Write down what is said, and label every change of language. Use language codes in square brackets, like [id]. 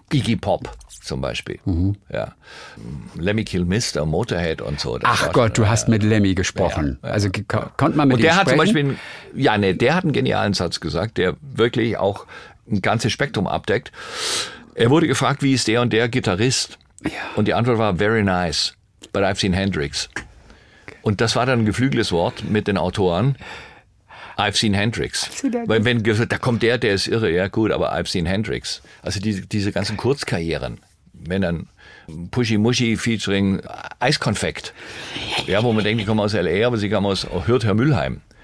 [de] Iggy Pop zum Beispiel. Mhm. Ja. Lemmy Kilmister, Motorhead und so. Ach Gott, du hast mit Lemmy gesprochen. Ja, ja. Also konnte man mit ihm Und der hat zum Beispiel, der hat einen genialen Satz gesagt, der wirklich auch ein ganzes Spektrum abdeckt. Er wurde gefragt, wie ist der und der Gitarrist? Ja. Und die Antwort war, [en] very nice, but I've seen Hendrix. [de] Und das war dann ein geflügeltes Wort mit den Autoren. [en] I've seen Hendrix. [de] Weil wenn gesagt, da kommt der ist irre, ja gut, aber [en] I've seen Hendrix. [de] Also diese ganzen Kurzkarrieren, wenn dann Pushy Mushy featuring Eiskonfekt, ja, wo man denkt, die kommen aus L.A., aber sie kommen aus Herr Mülheim.